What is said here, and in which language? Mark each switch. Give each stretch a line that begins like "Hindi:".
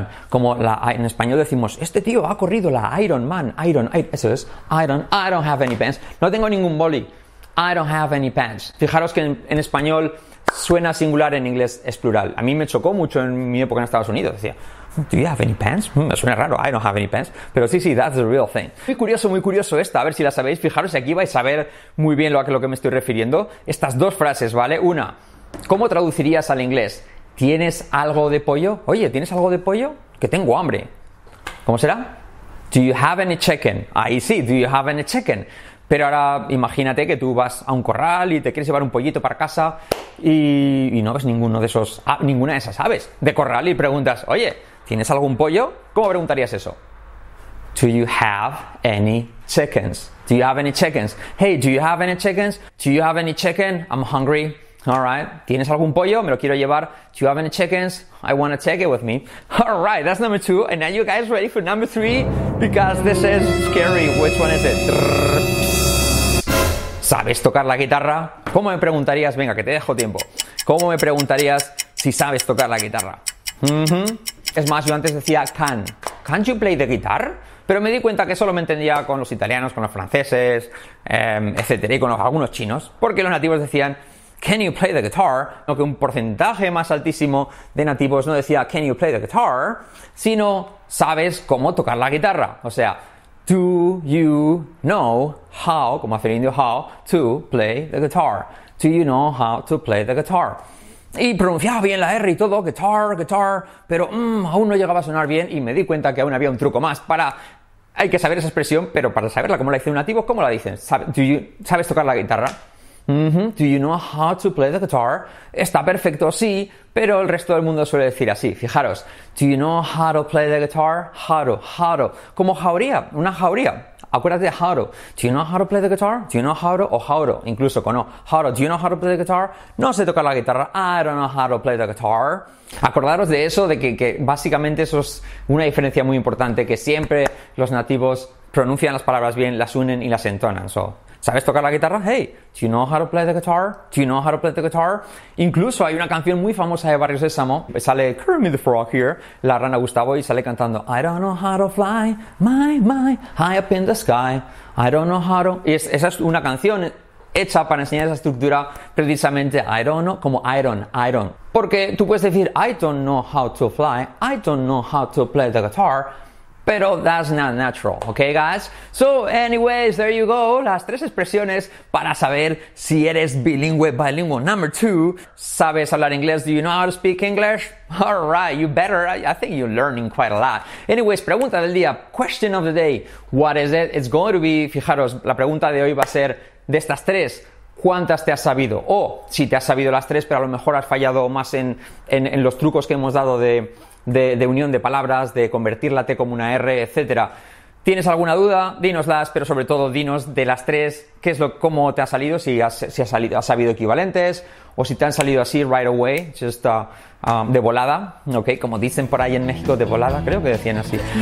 Spanish: Como en español decimos, este tío ha corrido la Iron Man. Eso es,
English: I don't have any pens.
Spanish: No tengo ningún boli.
English: I don't have any pens.
Spanish: Fijaros que en español suena singular, en inglés es plural. A mí me chocó mucho en mi época en Estados Unidos. Decía,
English: do you have any pens?
Spanish: Me suena raro,
English: I don't have any pens.
Spanish: Pero sí,
English: that's the real thing.
Spanish: Muy curioso esta. A ver si la sabéis. Fijaros, aquí vais a ver muy bien lo que me estoy refiriendo. Estas dos frases, ¿vale? Una, ¿cómo traducirías al inglés? ¿Tienes algo de pollo? Oye, ¿tienes algo de pollo? Que tengo hambre. ¿Cómo será?
English: Do you have any chicken?
Spanish: Ahí sí,
English: do you have any chicken?
Spanish: Pero ahora imagínate que tú vas a un corral y te quieres llevar un pollito para casa y no ves ninguna de esas aves de corral y preguntas, oye, ¿tienes algún pollo? ¿Cómo preguntarías eso?
English: Do you have any chickens? Do you have any chickens? Hey, do you have any chickens? Do you have any chicken? I'm hungry. All right.
Spanish: ¿Tienes algún pollo? Me lo quiero llevar.
English: Do you have any chickens? I want to take it with me. All right. That's number two. And now you guys ready for number three? Because this is scary. Which one is it?
Spanish: ¿Sabes tocar la guitarra? ¿Cómo me preguntarías? Venga, que te dejo tiempo. ¿Cómo me preguntarías si sabes tocar la guitarra? Mm-hmm. Es más, yo antes decía can.
English: Can't you play the guitar?
Spanish: Pero me di cuenta que solo me entendía con los italianos, con los franceses, etcétera, y con algunos chinos. Porque los nativos decían,
English: can you play the guitar?
Spanish: Aunque un porcentaje más altísimo de nativos no decía, can you play the guitar? Sino, ¿sabes cómo tocar la guitarra? O sea,
English: Do you know how,
Spanish: como hacer indio,
English: how to play the guitar? Do you know how to play the guitar?
Spanish: Y pronunciaba bien la R y todo, guitar, guitar, pero aún no llegaba a sonar bien y me di cuenta que aún había un truco más para... Hay que saber esa expresión, pero para saberla, ¿cómo la dicen nativos? ¿Cómo la dicen? ¿Sabes tocar la guitarra? Mm-hmm.
English: Do you know how to play the guitar?
Spanish: Está perfecto, sí, pero el resto del mundo suele decir así. Fijaros.
English: Do you know how to play the guitar? How to.
Spanish: Como jauría, una jauría. Acuérdate de
English: how to. Do you know how to play the guitar? Do you know how to? O how to,
Spanish: incluso con o.
English: How to. Do you know how to play the guitar?
Spanish: No sé tocar la guitarra.
English: I don't know how to play the guitar.
Spanish: Acordaros de eso, de que básicamente eso es una diferencia muy importante, que siempre los nativos pronuncian las palabras bien, las unen y las entonan. So, ¿sabes tocar la guitarra?
English: Hey, do you know how to play the guitar? Do you know how to play the guitar?
Spanish: Incluso hay una canción muy famosa de Barrio Sésamo.
English: Sale Kermit the Frog here,
Spanish: la rana Gustavo, y sale cantando
English: I don't know how to fly, my, high up in the sky. I don't know how to...
Spanish: Y esa es una canción hecha para enseñar esa estructura precisamente
English: I don't know,
Spanish: como iron. Porque tú puedes decir
English: I don't know how to fly, I don't know how to play the guitar...
Spanish: Pero
English: that's not natural, okay guys? So anyways, there you go,
Spanish: las tres expresiones para saber si eres bilingüe, bilingüe.
English: Number two,
Spanish: ¿sabes hablar inglés?
English: Do you know how to speak English? All right, you better, I think you're learning quite a lot. Anyways,
Spanish: pregunta del día,
English: question of the day, what is it? It's going to be,
Spanish: fijaros, la pregunta de hoy va a ser de estas tres. ¿Cuántas te has sabido? O si te has sabido las tres, pero a lo mejor has fallado más en los trucos que hemos dado de unión de palabras, de convertir la T como una R, etcétera. ¿Tienes alguna duda? Dínoslas, pero sobre todo dinos de las tres, qué es cómo te ha salido, si has sabido equivalentes, o si te han salido así
English: right away, just
Spanish: de volada, ok, como dicen por ahí en México, de volada, creo que decían así.